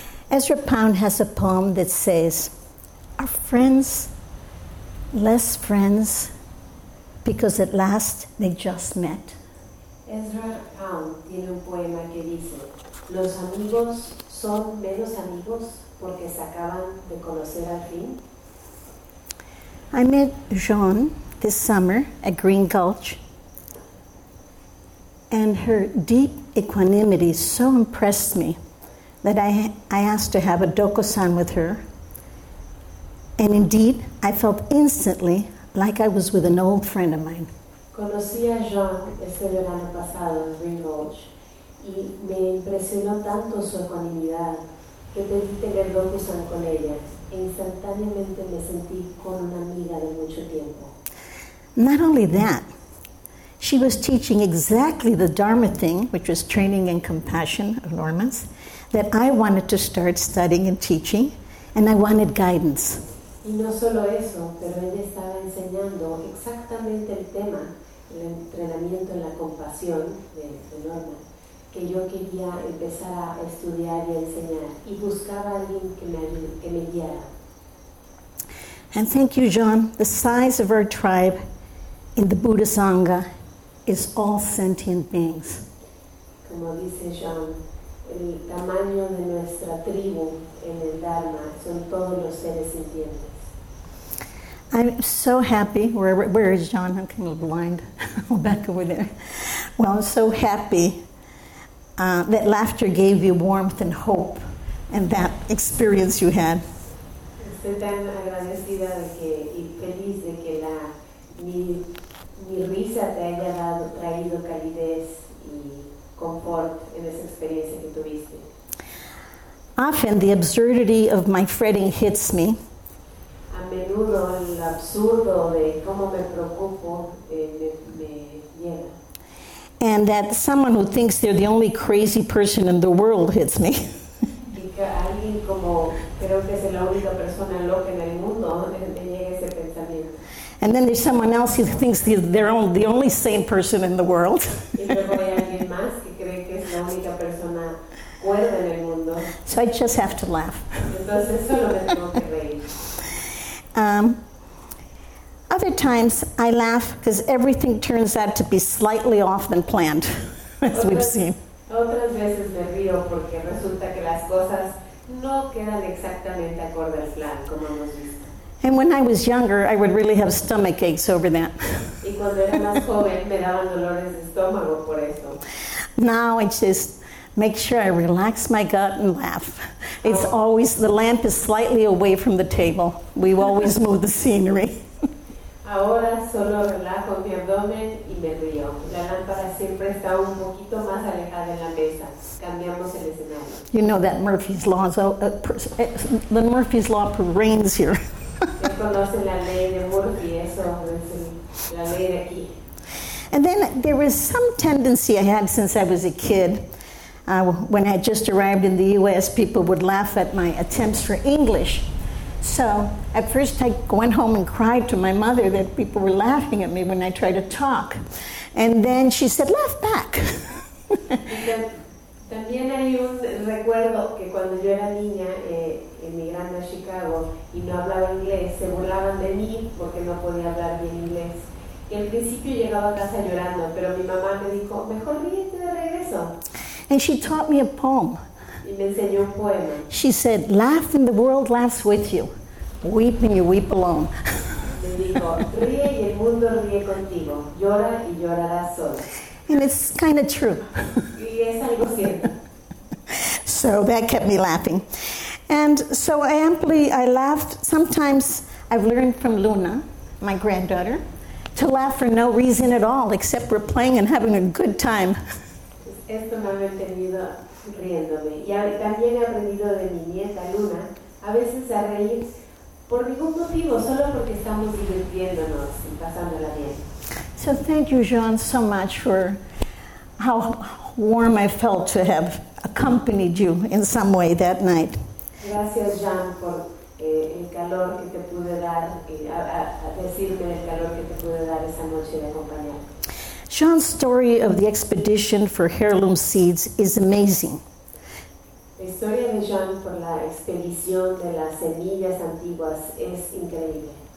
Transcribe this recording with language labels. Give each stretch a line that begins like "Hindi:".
English: Ezra Pound has a poem that says, "Are friends less friends because at last they just met?"
Spanish: Ezra Pound tiene un poema que dice: ¿Los amigos son menos amigos porque se acaban de conocer al fin?
English: I met Jean this summer at Green Gulch, and her deep equanimity so impressed me that I asked to have a Doko-san with her, and indeed I felt instantly like I was with an old friend of mine.
Spanish: Conocí a Jean este verano pasado en Green Gulch y me impresionó tanto su ecuanimidad que pedí tener Doko-san con ella e instantáneamente me sentí con una amiga de mucho tiempo.
English: Not only that, she was teaching exactly the Dharma thing, which was training in compassion of Normans, that I wanted to start studying and teaching, and I wanted guidance.
Spanish: Y no solo eso, pero ella estaba enseñando exactamente el tema, el entrenamiento en la compasión de Norma, que yo quería empezar a estudiar y a enseñar, y buscaba a alguien que me guiara.
English: And thank you, John. The size of our tribe in the Buddha Sangha is all sentient beings.
Spanish: Como dice John, el tamaño de nuestra tribu en el Dharma son todos los seres sintientes.
English: I'm so happy. Where is John? I'm kind of blind. Back over there. Well, I'm so happy that laughter gave you warmth and hope, and that experience you had.
Spanish: Estoy tan agradecida de que y feliz de que la mi risa te haya dado traído calidez y confort en esa experiencia que tuviste.
English: Often the absurdity of my fretting hits me.
Spanish: A menudo el absurdo de cómo me preocupo me llena.
English: And that someone who thinks they're the only crazy person in the world hits me.
Spanish: Y que alguien como creo que es la única persona loca en el mundo llega ese pensamiento.
English: And then there's someone else who thinks they're the only sane person in the world.
Spanish: Y luego hay alguien más que cree que es la única persona cuerda en el mundo.
English: So I just have to laugh.
Spanish: Entonces solo me tengo que reír.
English: Other times I laugh because everything turns out to be slightly off than planned, as we've seen.
Spanish: Otras veces me río porque resulta que las cosas no quedan exactamente acorde al plan, como hemos visto.
English: And when I was younger, I would really have stomach aches over that.
Spanish: Y cuando era más joven, me daban dolores de estómago por eso.
English: Now I just make sure I relax my gut and laugh. It's always, the lamp is slightly away from the table. We always move the scenery.
Spanish: Ahora solo relajo mi abdomen y me río. La lámpara siempre está un poquito más alejada de la mesa. Cambiamos el escenario.
English: You know that Murphy's Law. So, the Murphy's Law reigns here.
Spanish: Conocen la ley de Murphy, eso es la ley de aquí.
English: And then there was some tendency I had since I was a kid. When I had just arrived in the U.S., people would laugh at my attempts for English. So at first I went home and cried to my mother that people were laughing at me when I tried to talk. And then she said, laugh back.
Spanish: También hay un recuerdo que cuando yo era niña emigrando a Chicago y no hablaba inglés, se burlaban de mí porque no podía hablar bien inglés. Y al principio llegaba a casa llorando, pero mi mamá me dijo, mejor ríete de regreso.
English: And she taught me a poem.
Spanish: Y me enseñó un poema.
English: She said, laugh and the world laughs with you. Weep and you weep alone.
Spanish: Me dijo, ríe y el mundo ríe contigo. Llora y llorarás solo.
English: And it's kind of true.
Spanish: Y es algo cierto.
English: So that kept me laughing. And so I laughed. Sometimes I've learned from Luna, my granddaughter, to laugh for no reason at all, except we're playing and having a good time.
Spanish: Esto me ha mantenido riéndome. Y también he aprendido de mi nieta Luna a veces a reír por ningún motivo, solo porque estamos divirtiéndonos y pasándola bien.
English: So thank you, Jean, so much for how warm I felt to have accompanied you in some way that night.
Spanish: Gracias, Jean, por el calor que te pude dar, a decirme el calor que te pude dar esa noche de acompañar.
English: Jean's story of the expedition for heirloom seeds is amazing.
Spanish: La historia de Jean por la expedición de las semillas antiguas es increíble.